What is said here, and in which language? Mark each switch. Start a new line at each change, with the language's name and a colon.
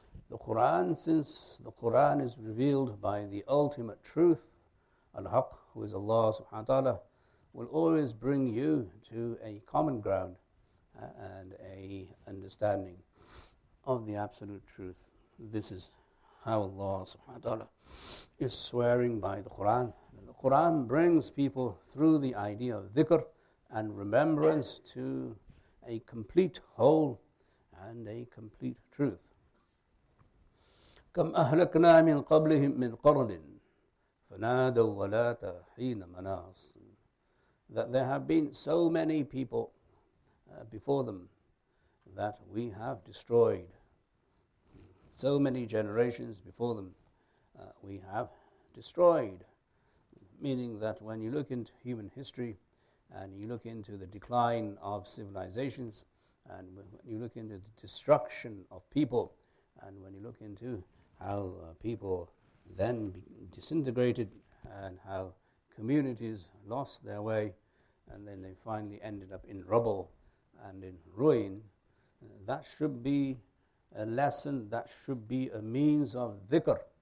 English: The Quran, since the Quran is revealed by the ultimate truth, Al-Haq, who is Allah subhanahu wa ta'ala, will always bring you to a common ground and a understanding of the absolute truth. This is how Allah subhanahu wa ta'ala is swearing by the Quran. And the Quran brings people through the idea of dhikr and remembrance to a complete whole and a complete truth.
Arabic: كم أهلكنا من قبلهم من قرن فنادوا ولا تحين مناص.
English: That there have been so many people before them that we have destroyed. So many generations before them we have destroyed. Meaning that when you look into human history and you look into the decline of civilizations and when you look into the destruction of people and when you look into how people then disintegrated and how communities lost their way and then they finally ended up in rubble and in ruin, that should be a lesson, that should be a means of dhikr,